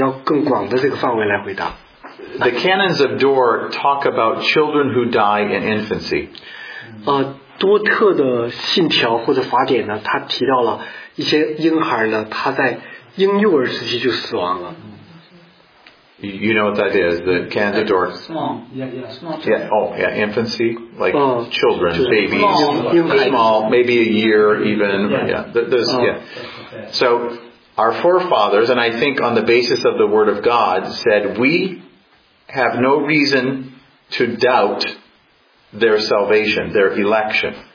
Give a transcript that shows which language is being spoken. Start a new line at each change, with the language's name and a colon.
English: The canons of Dort talk about children who die in infancy.
Chinese: 多特的信条或者法典呢, 他提到了一些婴孩呢, 他在婴幼儿时期就死亡了。
English: You know what that is, the canons of Dort. Infancy, like children, babies. Small, maybe a year even. So, our forefathers, and I think on the basis of the Word of God, said we have no reason to doubt their salvation, their election.